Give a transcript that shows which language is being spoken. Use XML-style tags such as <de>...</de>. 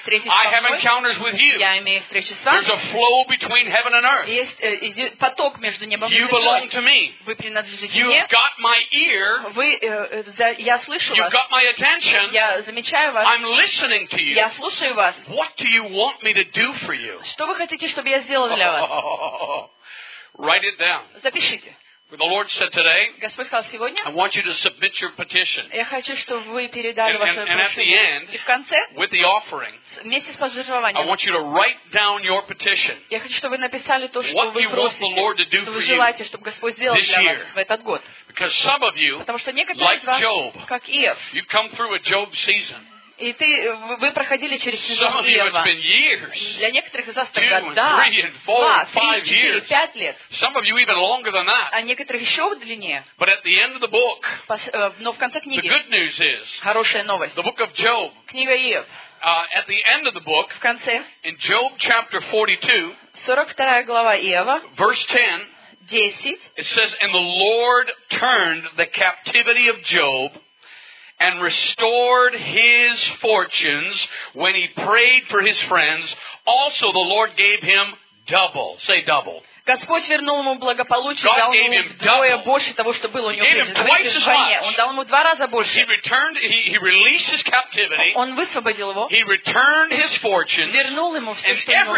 <en>I have encounters with you. There's a flow between heaven and earth. You belong to me. You've got my ear. You've got my attention. I'm listening to you. What do you want me to do for you?</en> <ru>Что вы хотите, чтобы я сделал для вас?</ru> <en>Write it down.</en> <ru>Запишите.</ru> <en>The Lord said today,</en> <ru>Господь сказал сегодня,</ru> <en>I want you to submit your petition.</en> <ru>Я хочу, чтобы вы передали вашу прошение.</ru> <en>And at the end,</en> <ru>и в конце,</ru> <en>with the offering,</en> <ru>вместе с пожертвованием,</ru> <en>I want you to write down your petition.</en> <ru>Я хочу, чтобы вы написали то, что</ru> <en>what</en> <ru>вы просите,</ru> <en>the Lord to do</en> <ru>что вы желаете, чтобы Господь сделал для вас</ru> <en>year.</en> <ru>В этот год.</ru> <en>Because some of you,</en> <ru>потому что некоторые</ru> <en>like</en> <ru>из вас, как Иов,</ru> <en>you come through a Job season.</en> <ru>И ты, вы проходили через сезон Иова. Для некоторых из вас это года. Два, три, четыре, пять лет.</ru> <en>Some of you even longer than that.</en> <ru>А некоторых еще длиннее.</ru> <en>But at the end of the book,</en> <ru>но в конце книги,</ru> <en>the good news is,</en> <ru>хорошая новость.</ru> <en>The book of Job,</en> <ru>книга Иов.</ru> <en>At the end of the book,</en> <ru>в конце,</ru> <en>in Job chapter 42,</en> <ru>42 глава Иова,</ru> <en>verse 10, 10, it says, and the Lord turned the captivity of Job and restored his fortunes when he prayed for his friends. Also, the Lord gave him double. Say double.</en> <ru>Господь вернул ему благополучие, дал ему вдвое больше того, что было у него прежде. Он дал ему два раза больше.</ru> <en>He released his captivity.</en> <ru>Он высвободил его.</ru> <en>He returned his fortunes.</en> <ru>Вернул ему все, что у него было.</ru>